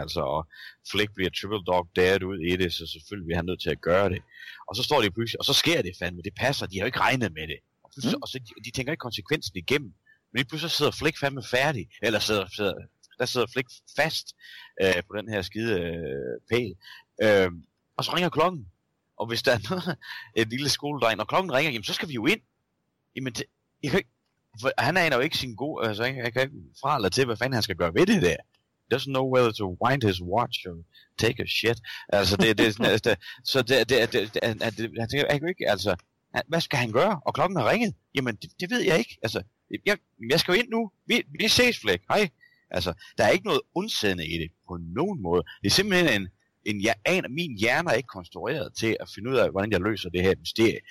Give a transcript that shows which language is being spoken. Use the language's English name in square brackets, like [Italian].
[Danish] Altså, og Flick bliver [English] triple dog dared [Danish] ud i det, så selvfølgelig bliver han nødt til at gøre det, og så står de pludselig, og så sker det fandme, det passer, de har jo ikke regnet med det, og så de tænker ikke konsekvensen igennem, men lige pludselig sidder Flick fandme færdig, eller sidder Flick fast på den her skide pæl, og så ringer klokken. Og hvis der er en lille skoledreng, når klokken ringer, jamen så skal vi jo ind. Jamen, han aner jo ikke sin god, altså jeg kan ikke fra eller til, hvad fanden han skal gøre ved det der. [English] He doesn't know whether to wind his watch or take a shit. [Danish] Altså det er ikke, altså, hvad skal han gøre? Og klokken har ringet. Jamen, det ved jeg ikke. Altså, jeg skal jo ind nu. Vi ses, Flæk. Hej. Altså, der er ikke noget undsendende i det på nogen måde. Det er simpelthen min hjerne er ikke konstrueret til at finde ud af, hvordan jeg løser det her mysterie.